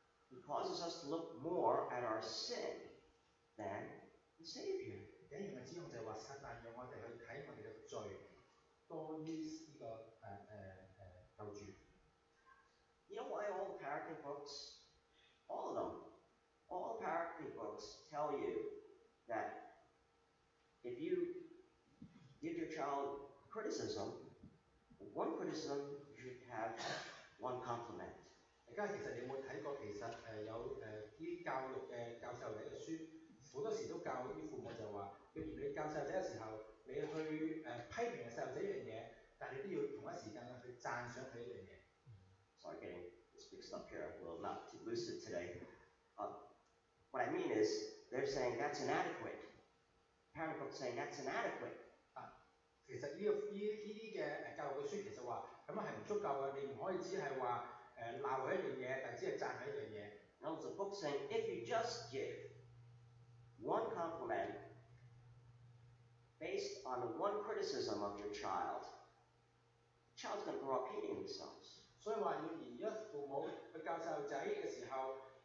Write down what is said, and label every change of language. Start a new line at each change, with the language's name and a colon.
English: He causes us to look more at our sin than the Savior.
Cantonese: 第一樣嘅指控就係話撒旦讓我哋去睇我哋嘅罪多於呢、這個救主。
English: You know why all the parenting books, all of them. All parenting books tell you that if you give your child criticism, one criticism you should have one compliment.
Cantonese: 大家其實有冇睇過？其實有啲教育嘅教細路仔嘅書，好多時都教啲父母就話，譬如你教細路仔嘅時候，你去批評細路仔一樣嘢，但你都要同一時間去讚賞佢一樣嘢。
English: Sorry, getting this mixed up here. We're not too lucid today. What I mean is, they're saying that's inadequate. Parent books saying that's inadequate.
Cantonese: 其實呢啲嘅教育嘅書其實話咁係唔足夠嘅，你唔可以只係話鬧佢一樣嘢，但只係讚佢一樣嘢。
English: No, the book saying if you just give one compliment based on one criticism of your child, the child's going to grow up hating themselves.
Cantonese: 所以話要如果父母去教細路仔嘅時候。